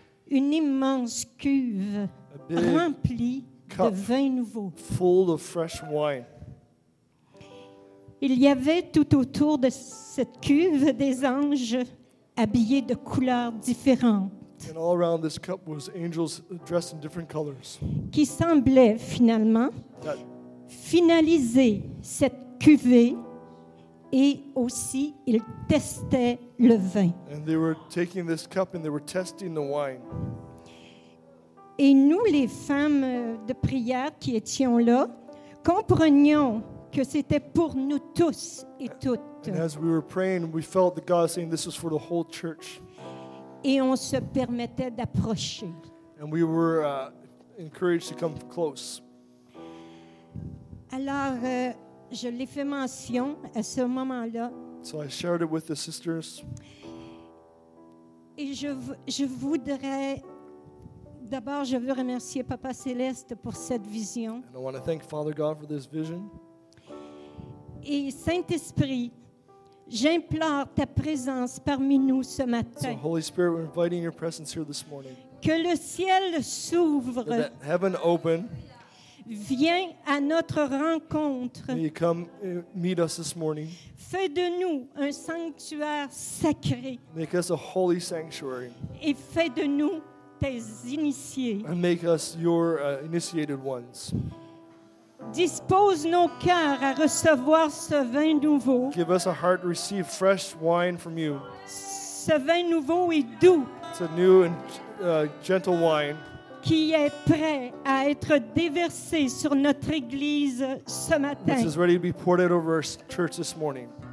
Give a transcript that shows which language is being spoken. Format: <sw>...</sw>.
<fr>une immense cuve remplie de vin nouveau.</fr> <en>Full of fresh wine.</en> <fr>Il y avait tout autour de cette cuve des anges habillés de couleurs différentes.</fr> <en>And all around this cup was angels dressed in different colors.</en> <fr>Qui semblait finalement finaliser cette cuvée et aussi ils testaient le vin.</fr> <en>And they were taking this cup and they were testing the wine.</en> <fr>Et nous, les femmes de prière qui étions là, comprenions que c'était pour nous tous et toutes.</fr> <en>And as we were praying, we felt that God was saying this was for the whole church.</en> <fr>Et on se permettait d'approcher.</fr> <en>And we were encouraged to come close.</en> <fr>Alors, je l'ai fait mention à ce moment-là.</fr> <en>So I shared it with the sisters.</en> <fr>Et je voudrais, d'abord, je veux remercier Papa Céleste pour cette vision.</fr> <en>And I want to thank Father God for this vision.</en> <fr>Et Saint-Esprit, j'implore ta présence parmi nous ce matin.</fr> <en>So Holy Spirit, we're inviting your presence here this morning.</en> <fr>Que le ciel s'ouvre.</fr> <en>That heaven open.</en> <fr>Viens à notre rencontre.</fr> <en>May you come meet us this morning.</en> <fr>Fais de nous un sanctuaire sacré.</fr> <en>Make us a holy sanctuary.</en> <fr>Et fais de nous tes initiés.</fr> <en>And make us your initiated ones.</en> <fr>Dispose nos cœurs à recevoir ce vin nouveau.</fr> <en>Give us a heart to receive fresh wine from you.</en> <fr>Ce vin nouveau est doux.</fr> <en>It's a new and gentle wine.</en> <fr>Qui est prêt à être déversé sur notre église ce matin.</fr> <en>This is ready to be poured out over our church this morning.</en>